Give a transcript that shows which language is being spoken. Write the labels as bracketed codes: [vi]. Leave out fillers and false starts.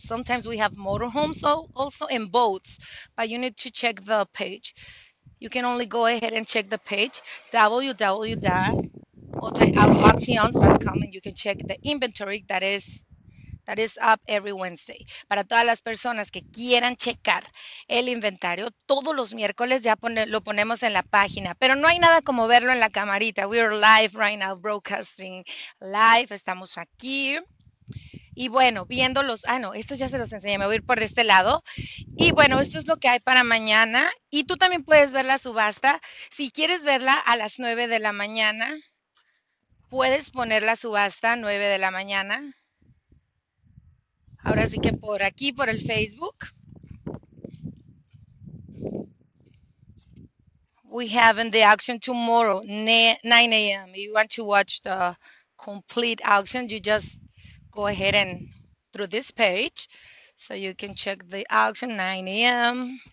[en] Sometimes we have motorhomes also and boats, but you need to check the page. You can only go ahead and check the page, www.autoauctions.com, and you can check the inventory that is up every Wednesday. [es] Para todas las personas que quieran checar el inventario, todos los miércoles ya lo ponemos en la página. Pero no hay nada como verlo en la camarita. [en] We are live right now, broadcasting live. [es] Estamos aquí. Y bueno, viéndolos. Ah, no, estos ya se los enseñé. Me voy a ir por este lado. Y bueno, esto es lo que hay para mañana. Y tú también puedes ver la subasta. Si quieres verla a las 9 de la mañana, puedes poner la subasta a 9 de la mañana. Ahora sí que por aquí, por el Facebook. [en] We have in the auction tomorrow, 9 a.m. If you want to watch the complete auction, you just go ahead and through this page. So you can check the auction, 9 a.m.